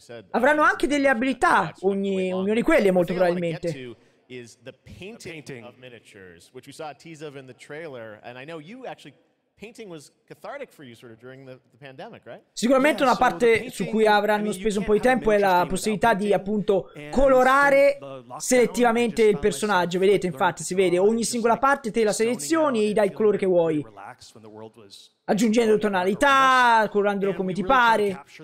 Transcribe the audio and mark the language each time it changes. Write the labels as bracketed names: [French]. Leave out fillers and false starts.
[Italian] Avranno anche delle abilità, ognuna di quelle molto probabilmente. [English] Is the painting of miniatures, which we saw a tease of in the trailer, and I know you actually. Painting was cathartic for you sort of during the pandemic, right? [Italian] Sicuramente una parte su cui avranno speso un po' di tempo è la possibilità di appunto colorare selettivamente il personaggio. Vedete, infatti si vede ogni singola parte, te la selezioni e dai il colore che vuoi, aggiungendo tonalità, colorandolo come ti pare.